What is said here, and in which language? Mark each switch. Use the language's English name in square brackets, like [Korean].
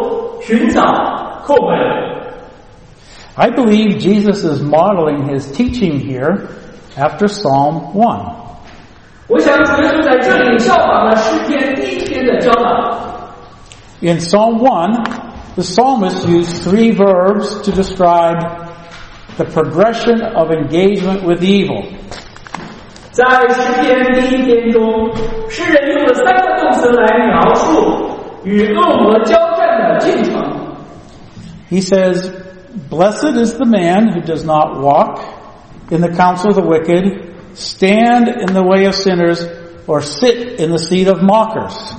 [Chinese] 主耶稣给了我们三个动词来鼓励我们祷告，就是祈求、寻找、叩门。 [English] I believe Jesus is modeling his teaching here after Psalm 1. [Chinese] 我想主耶稣在这里效仿了诗篇第一篇的教导。 [English] In Psalm 1, the psalmist used three verbs to describe the progression of engagement with evil. [Chinese] 在诗篇第一篇中，诗人用了三个动词来描述与恶魔交战的进程。 [English] He says, "Blessed is the man who does not walk in the counsel of the wicked, stand in the way of sinners, or sit in the seat of mockers."